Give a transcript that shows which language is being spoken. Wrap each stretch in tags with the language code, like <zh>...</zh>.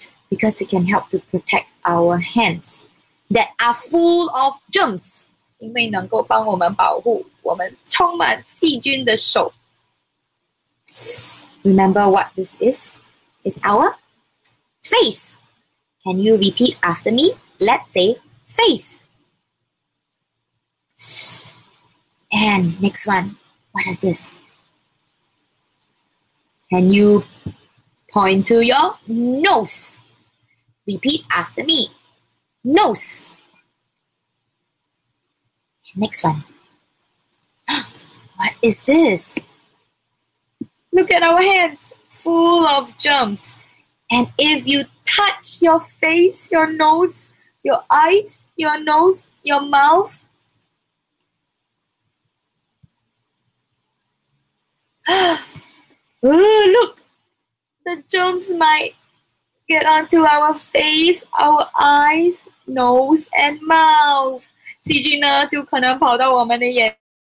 <en>Because it can help to protect our hands that are full of germs.</en> <zh>因为能够帮我们保护我们充满细菌的手.</zh> <en>Remember what this is? It's our face. Can you repeat after me? Let's say face. And next one. What is this? Can you point to your nose? Repeat after me. Nose. Next one. What is this? Look at our hands. Full of germs. And if you touch your face, your nose, your eyes, your nose, your mouth. Look. The germs might get onto our face, our eyes, nose, and mouth.</en> <zh>细菌呢，就可能跑到我们的眼。</zh>